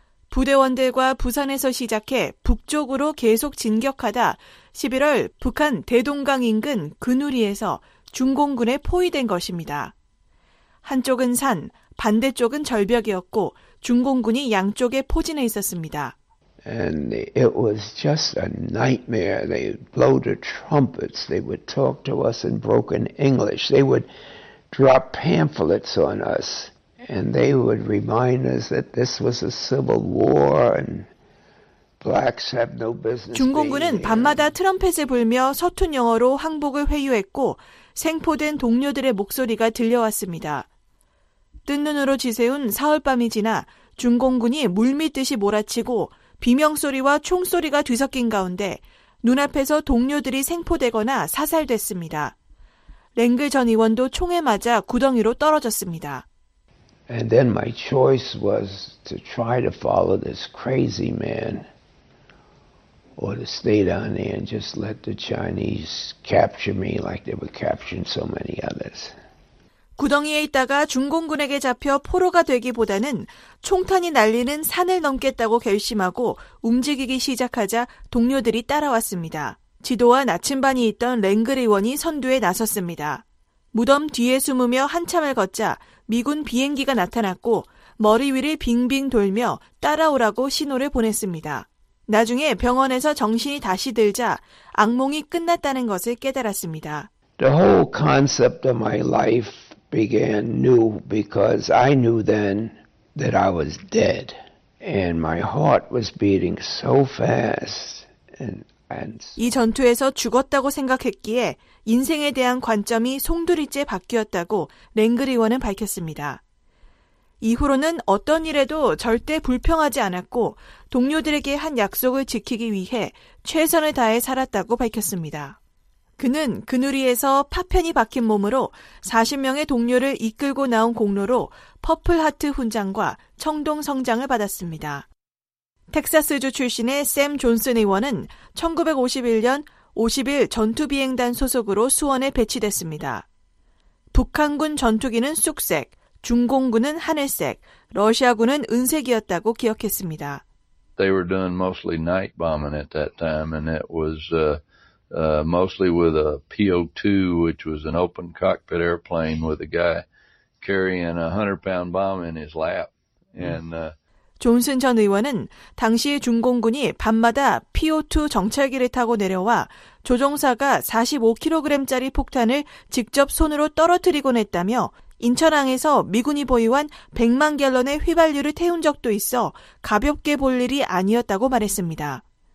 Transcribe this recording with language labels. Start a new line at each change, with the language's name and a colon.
Korean: 부대원들과 부산에서 시작해 북쪽으로 계속 진격하다 11월 북한 대동강 인근 근우리에서 중공군에 포위된 것입니다. 한쪽은 산, 반대쪽은 절벽이었고 중공군이 양쪽에 포진해 있었습니다.
English: And it was just a nightmare. They would blow the trumpets. They would talk to us in broken English. They would drop pamphlets on us. And they would remind us that this was a civil war and blacks have no business.
Korean: 중공군은 밤마다 트럼펫을 불며 서툰 영어로 항복을 회유했고 생포된 동료들의 목소리가 들려왔습니다. 뜬눈으로 지새운 사흘밤이 지나 중공군이 물밑듯이 몰아치고 비명소리와 총소리가 뒤섞인 가운데 눈앞에서 동료들이 생포되거나 사살됐습니다. 랭글 전 의원도 총에 맞아 구덩이로 떨어졌습니다.
English: And then my choice was to try to follow this crazy man or to stay down there and just let the Chinese capture me like they were capturing so many others.
Korean: 구덩이에 있다가 중공군에게 잡혀 포로가 되기보다는 총탄이 날리는 산을 넘겠다고 결심하고 움직이기 시작하자 동료들이 따라왔습니다. 지도와 나침반이 있던 랭글 의원이 선두에 나섰습니다. 무덤 뒤에 숨으며 한참을 걷자 미군 비행기가 나타났고 머리 위를 빙빙 돌며 따라오라고 신호를 보냈습니다. 나중에 병원에서 정신이 다시 들자 악몽이 끝났다는 것을 깨달았습니다.
English: The whole concept of my life began new because I knew then that I was dead and my heart was beating so fast and
Korean: 이 전투에서 죽었다고 생각했기에 인생에 대한 관점이 송두리째 바뀌었다고 랭글 의원은 밝혔습니다. 이후로는 어떤 일에도 절대 불평하지 않았고 동료들에게 한 약속을 지키기 위해 최선을 다해 살았다고 밝혔습니다. 그는 그누리에서 파편이 박힌 몸으로 40명의 동료를 이끌고 나온 공로로 퍼플하트 훈장과 청동성장을 받았습니다. 텍사스주 출신의 샘 존슨 의원은 1951년 50일 전투비행단 소속으로 수원에 배치됐습니다. 북한군 전투기는 쑥색, 중공군은 하늘색, 러시아군은 은색이었다고 기억했습니다.
English: They were doing mostly night bombing at that time and it was... mostly with a PO2, which was an open cockpit airplane with a guy carrying a 100-pound bomb in his lap. And,
Korean: 존슨 전 의원은 당시 중공군이 밤마다 PO2 정찰기를 타고 내려와 조종사가 45kg짜리 폭탄을 직접 손으로 떨어뜨리곤 했다며 인천항에서 미군이 보유한 100만 갤런의 휘발유를 태운 적도 있어 가볍게 볼 일이 아니었다고 말했습니다.